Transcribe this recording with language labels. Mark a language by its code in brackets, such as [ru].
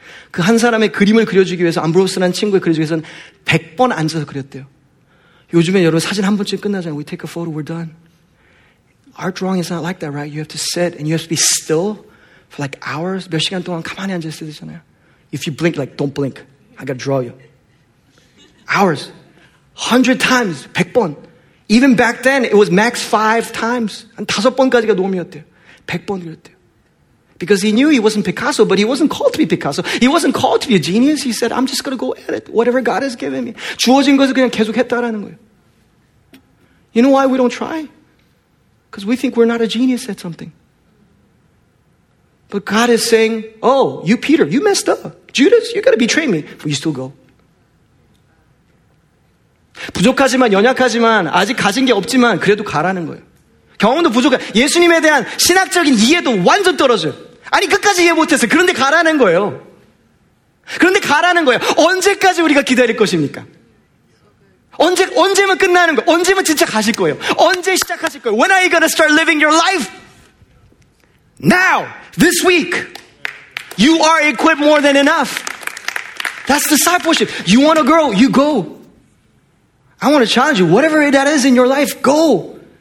[ko] 그 한 사람의 그림을 그려주기 위해서 암브로스라는 친구의 그려주기 위해서는 100번 앉아서 그렸대요. 요즘에 여러분 사진 한 번쯤 끝나잖아요. [en] We take a photo, we're done. Art drawing is not like that, right? You have to sit and you have to be still for like hours. [ko] 몇 시간 동안 가만히 앉아 있어야 되잖아요. [en] If you blink, like don't blink. I gotta draw you. Hours. 100 times, 100번. Even back then, it was max 5 times. [ko] 5번까지가 노미였대요. 100번 그렸대요. [en] Because he knew he wasn't Picasso, but he wasn't called to be Picasso. He wasn't called to be a genius. He said, I'm just going to go at it. Whatever God has given me. [ko] 주어진 것을 그냥 계속 했다라는 거예요. [en] You know why we don't try? Because we think we're not a genius at something. But God is saying, oh, you Peter, you messed up. Judas, you're going to betray me. But you still go. [ko] 부족하지만 연약하지만 아직 가진 게 없지만 그래도 가라는 거예요. 경험도 부족해. 예수님에 대한 신학적인 이해도 완전 떨어져요. 아니 끝까지 이해 못했어요. 그런데 가라는 거예요. 그런데 가라는 거예요. 언제까지 우리가 기다릴 것입니까? 언제면 끝나는 거예요? 언제면 진짜 가실 거예요? 언제 시작하실 거예요? [en] When are you gonna start living your life? Now, this week. You are equipped more than enough. That's discipleship. You want to grow, you go. I want to challenge you. Whatever that is in your life, go.